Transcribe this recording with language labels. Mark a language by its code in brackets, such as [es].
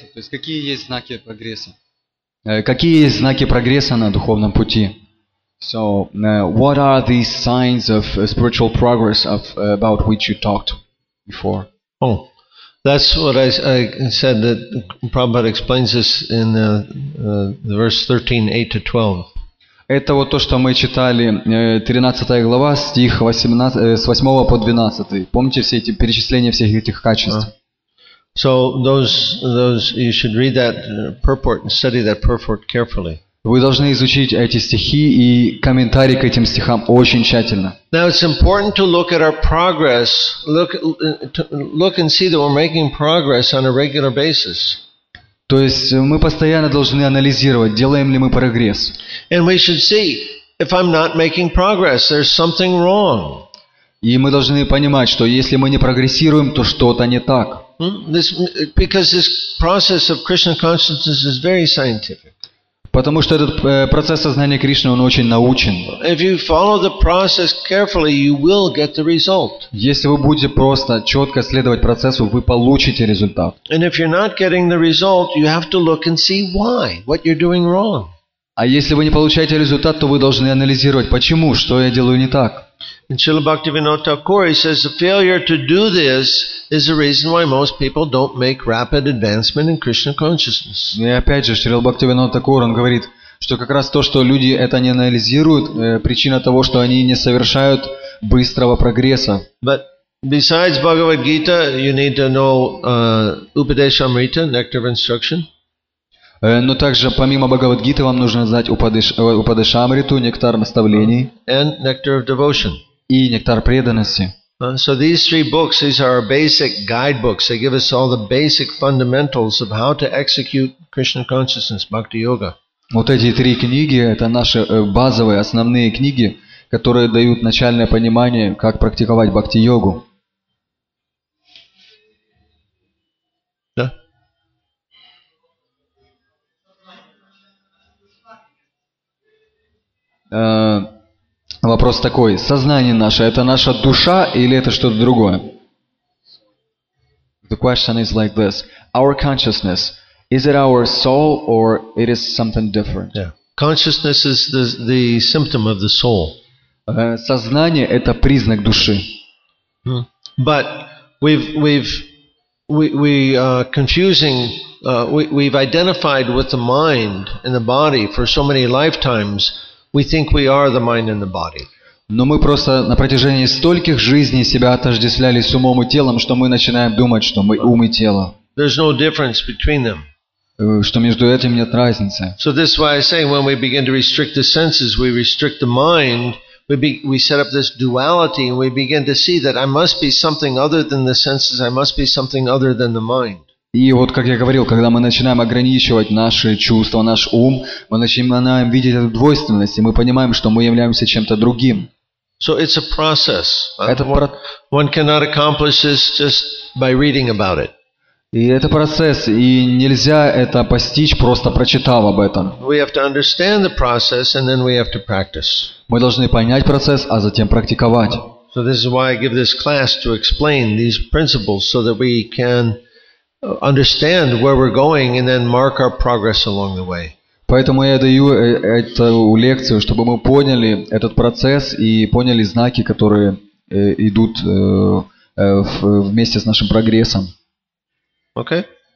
[ru] То есть какие есть знаки прогресса? Какие есть знаки прогресса на духовном пути? [en] So, what are the signs of spiritual progress of about which you talked before? Oh, that's what I said that Prabhupada explains this in the verse 13:8-12. [ru] Это вот то, что мы читали, 13 глава, стих 18, с 8 по 12. Помните все эти перечисления всех этих качеств? [en] So those you should read that purport and study that purport carefully. [ru] Вы должны изучить эти стихи и комментарий к этим стихам очень тщательно. [en] Now it's important to look at our progress, look and see that we're making progress on a regular basis. [ru] То есть мы постоянно должны анализировать, делаем ли мы прогресс. [en] And we should see if I'm not making progress, there's something wrong. [ru] И мы должны понимать, что если мы не прогрессируем, то что-то не так. [en] Because this process of Krishna consciousness is very scientific. [ru] Потому что этот процесс сознания Кришны, он очень научен. [en] If you follow the process carefully, you will get the result. [ru] Если вы будете просто четко следовать процессу, вы получите результат. [en] And if you're not getting the result, you have to look and see why, what you're doing wrong. [ru] А если вы не получаете результат, то вы должны анализировать, почему, что я делаю не так. [en] And Srila Bhaktivinoda Thakur, he says, the failure to do this is the reason why most people don't make rapid advancement in Krishna consciousness. [ru] И опять же, Srila Bhaktivinoda Thakur, он говорит, что как раз то, что люди это не анализируют, причина того, что они не совершают быстрого прогресса. [en] But besides Bhagavad Gita, you need to know Upadeshamrita, Nectar of Instruction. [ru] Но также, помимо Бхагавад-гиты, вам нужно знать Упадешамриту, нектар наставлений. [en] And nectar of devotion. [ru] И нектар преданности. [en] So these three books, these are our basic guidebooks. They give us all the basic fundamentals of how to execute Krishna consciousness, Bhakti-yoga. [ru] Вот эти три книги, это наши базовые, основные книги, которые дают начальное понимание, как практиковать Бхакти-йогу. Вопрос такой. Сознание наше, это наша душа или это что-то другое? [en] The question is like this. Our consciousness, is it our soul or it is something different? Yeah. Consciousness is the symptom of the soul. [ru] Сознание – это признак души. [en] But we've identified with the mind and the body for so many lifetimes. We think we are the mind and the body. [ru] Но мы просто на протяжении стольких жизней себя отождествляли с умом и телом, что мы начинаем думать, что мы ум и тело. [en] There's no difference between them. [ru] Что между этим нет разницы. [en] So this is why I say when we begin to restrict the senses, we restrict the mind. We set up this duality and we begin to see that I must be something other than the senses. I must be something other than the mind. [ru] И вот, как я говорил, когда мы начинаем ограничивать наши чувства, наш ум, мы начинаем видеть эту двойственность, и мы понимаем, что мы являемся чем-то другим. [en] So it's a process. [ru] Это [en] one cannot accomplish this just by reading about it. [ru] И это процесс, и нельзя это постичь, просто прочитав об этом. [en] We have to understand the process, and then we have to practice. [ru] Мы должны понять процесс, а затем практиковать. [en] So this is why I give this class, to explain these principles, so that we can understand where we're going, and then mark our progress along the way. [ru] Поэтому я даю эту лекцию, чтобы мы поняли этот процесс и поняли знаки, которые идут вместе с нашим прогрессом. [en] Okay.